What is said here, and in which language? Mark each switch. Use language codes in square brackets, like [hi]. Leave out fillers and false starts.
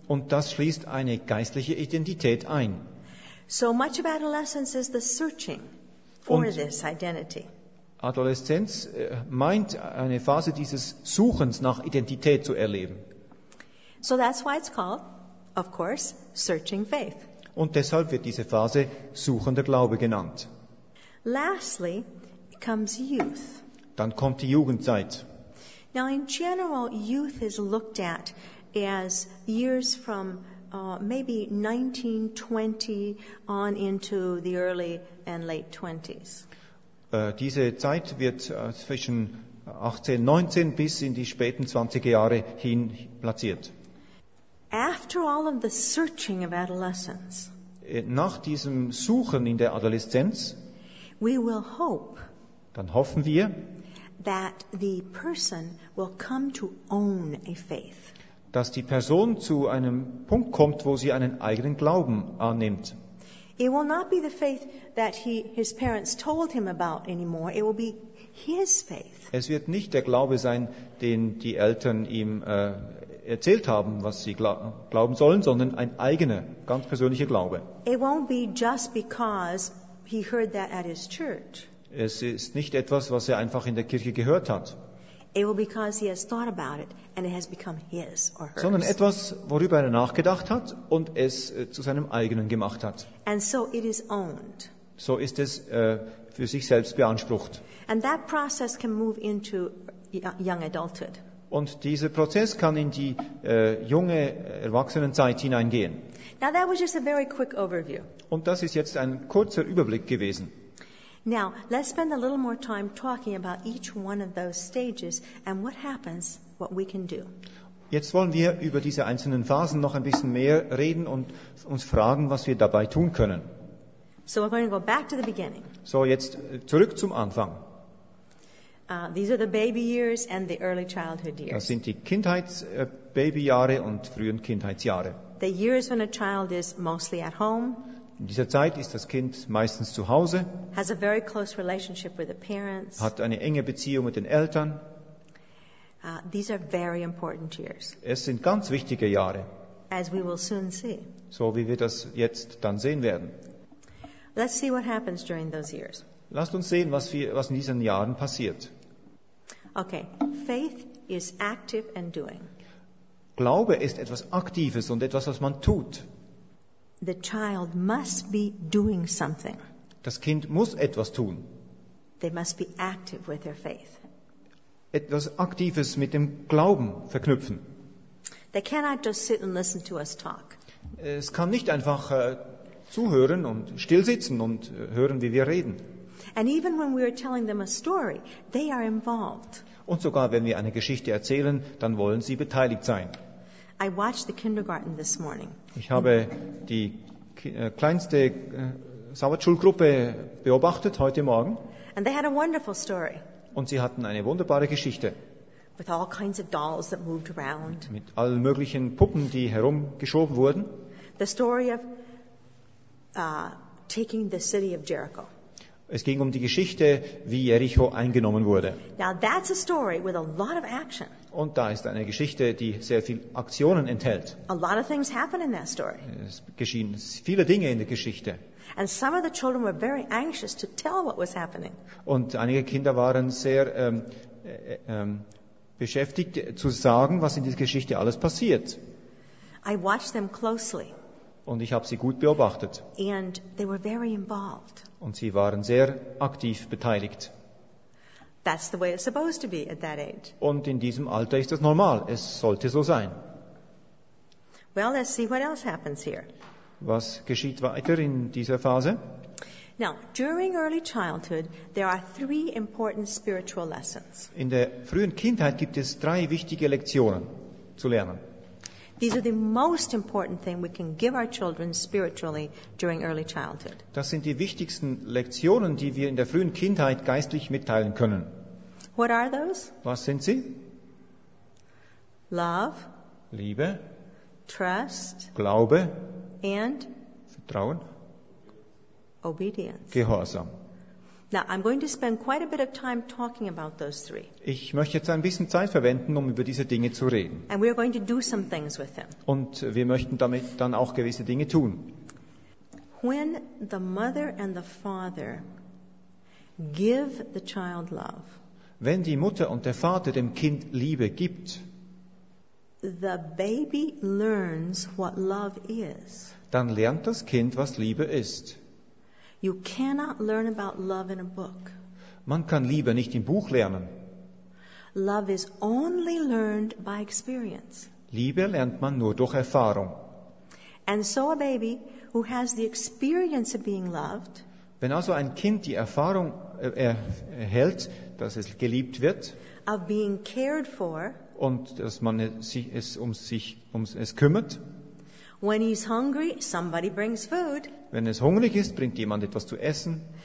[de] Und das schließt eine geistliche Identität ein. [en] So much of adolescence is the searching for this identity. [de] Adoleszenz meint eine Phase dieses Suchens nach Identität zu erleben. [en] So that's why it's called, of course, searching faith. [de] Und deshalb wird diese Phase suchender Glaube genannt. [en] Lastly comes youth. [de] Dann kommt die Jugendzeit. [en] Now in general, youth is looked at as years from maybe 1920 on into the early and late 20s. [de] Diese Zeit wird zwischen 18-19 bis in die späten 20er Jahre hin platziert. [en] After all of the searching of adolescence, [de] nach diesem Suchen in der Adoleszenz, [en] we will hope, [de] dann hoffen wir, [en] that the person will come to own a faith. [de] Dass die Person zu einem Punkt kommt, wo sie einen eigenen Glauben annimmt. [en] It will not be the faith that his parents told him about anymore. It will be his faith. [de] Es wird nicht der Glaube sein, den die Eltern ihm erzählt haben, was sie glauben sollen, sondern ein eigener, ganz persönlicher Glaube. [en] It won't be just because he heard that at his church. [de] Es ist nicht etwas, was er einfach in der Kirche gehört hat. [en] It will be because he has thought about it and it has become his or hers. [de] Sondern etwas, worüber er nachgedacht hat und es zu seinem eigenen gemacht hat. [en] And so it is owned. [de] So ist es für sich selbst beansprucht. [en] And that process can move into young adulthood. [de] Und dieser Prozess kann in die junge Erwachsenenzeit hineingehen. [en] Now that was just a very quick overview. [de] Und das ist jetzt ein kurzer Überblick gewesen. [en] Now, let's spend a little more time talking about each one of those stages and what happens, what we can do. [de] Jetzt wollen wir über diese einzelnen Phasen noch ein bisschen mehr reden und uns fragen, was wir dabei tun können. [en] So we're going to go back to the beginning. [de] So jetzt zurück zum Anfang. [en] These are the baby years and the early childhood years. [de] Das sind die Kindheitsbabyjahre und frühen Kindheitsjahre. [en] The years when a child is mostly at home. [de] In dieser Zeit ist das Kind meistens zu Hause, [en] has a very close relationship with the parents, [de] hat eine enge Beziehung mit den Eltern. [en] These are very important years. [de] Es sind ganz wichtige Jahre, [en] as we will soon see. [de] So wie wir das jetzt dann sehen werden. [en] Let's see what happens during those years. [de] Lasst uns sehen, was in diesen Jahren passiert. [en] Okay. Faith is active and doing. [de] Glaube ist etwas Aktives und etwas, was man tut. [en] The child must be doing something. [de] Das Kind muss etwas tun. [en] They must be active with their faith. [de] Etwas Aktives mit dem Glauben verknüpfen. [en] They cannot just sit and listen to us talk. [de] Es kann nicht einfach zuhören und still sitzen und hören, wie wir reden. [en] And even when we are telling them a story, they are involved. [de] Und sogar wenn wir eine Geschichte erzählen, dann wollen sie beteiligt sein. [en] I watched the kindergarten this morning. [de] Ich habe die kleinste Sabbatschulgruppe beobachtet heute Morgen. [en] And they had a wonderful story. [de] Und sie hatten eine wunderbare Geschichte. [en] With all kinds of dolls that moved around. [de] Mit allen möglichen Puppen, die herumgeschoben wurden. [en] The story of taking the city of Jericho. [de] Es ging um die Geschichte, wie Jericho eingenommen wurde. [en] Now that's a story with a lot of action. [de] Und da ist eine Geschichte, die sehr viel Aktionen enthält. [en] A lot of things happen in that story. [de] Es geschehen viele Dinge in der Geschichte. [en] And some of the children were very anxious to tell what was happening. [de] Und einige Kinder waren sehr beschäftigt zu sagen, was in dieser Geschichte alles passiert. [en] I watched them closely. [de] Und ich habe sie gut beobachtet. [en] And they were very involved. [de] Und sie waren sehr aktiv beteiligt. [en] That's the way it's supposed to be at that age. [de] Und in diesem Alter ist das normal. Es sollte so sein. [en] Well, let's see what else happens here. [de] Was geschieht weiter in dieser Phase? [en] Now, during early childhood, there are three important spiritual lessons. [de] In der frühen Kindheit gibt es drei wichtige Lektionen zu lernen. [en] These are the most important thing we can give our children spiritually during early childhood. [de] Das sind die wichtigsten Lektionen, die wir in der frühen Kindheit geistlich mitteilen können. [en] What are those? [de] Was sind sie? [en] Love. [de] Liebe. [en] Trust. [de] Glaube. [en] And [de] Vertrauen. [en] Obedience. [de] Gehorsam. [en] Now I'm going to spend quite a bit of time talking about those three. [de] Ich möchte jetzt ein bisschen Zeit verwenden, um über diese Dinge zu reden. [en] And we are going to do some things with them. [de] Und wir möchten damit dann auch gewisse Dinge tun. [en] When the mother and the father give the child love. [de] Wenn die Mutter und der Vater dem Kind Liebe gibt. [en] The baby learns what love is. [de] Dann lernt das Kind, was Liebe ist. [en] You cannot learn about love in a book. [de] Man kann Liebe nicht im Buch lernen. [en] Love is only learned by experience. [de] Liebe lernt man nur durch Erfahrung. [en] And so a baby who has the experience of being loved, [de] wenn also ein Kind die Erfahrung erhält, dass es geliebt wird, [en] of being cared for, [de] und dass man es um sich um es kümmert. [en] When he's hungry, somebody brings food. [de] Wenn es hungrig ist, bringt jemand etwas zu essen.